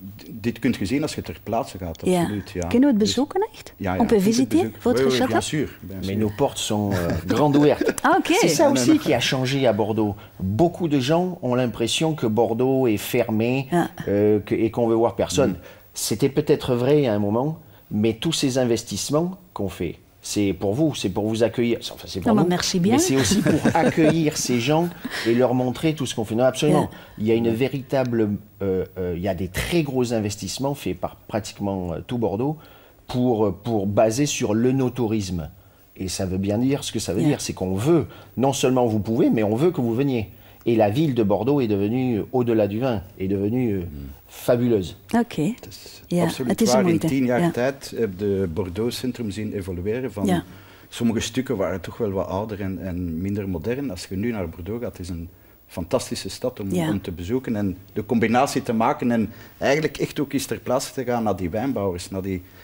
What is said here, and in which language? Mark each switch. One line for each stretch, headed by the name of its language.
Dutch: Dit kunt je zien als je ter plaatse gaat, absoluut. Ja. Ja. Kunnen we het bezoeken echt? Ja,
French: on peut visiter votre château? Bien sûr. Mais nos portes sont grandes ouvertes. Ah, okay. C'est ça aussi qui a changé à Bordeaux. Beaucoup de gens ont l'impression que Bordeaux est fermé et qu'on veut voir personne. Mm. C'était peut-être vrai à un moment, mais tous ces investissements qu'on fait, c'est pour vous, c'est pour vous accueillir. Enfin, c'est pour nous. Merci bien. Mais c'est aussi pour accueillir ces gens et leur montrer tout ce qu'on fait. Non, absolument. Yeah. Il y a une véritable. Il y a des très gros investissements faits par pratiquement tout Bordeaux pour baser sur l'œnotourisme. Et ça veut bien dire ce que ça veut dire. C'est qu'on veut, non seulement vous pouvez, mais on veut que vous veniez. Et la ville de Bordeaux est devenue, au-delà du vin, est devenue fabuleuse. Ok.
Dutch: Absoluut waar. In 10 jaar tijd heb de Bordeaux Centrum zien evolueren. Van sommige stukken waren toch wel wat ouder en minder modern. Als je nu naar Bordeaux gaat, is een fantastische stad om te bezoeken en de combinatie te maken en eigenlijk echt ook eens ter plaatse te gaan naar die wijnbouwers, naar die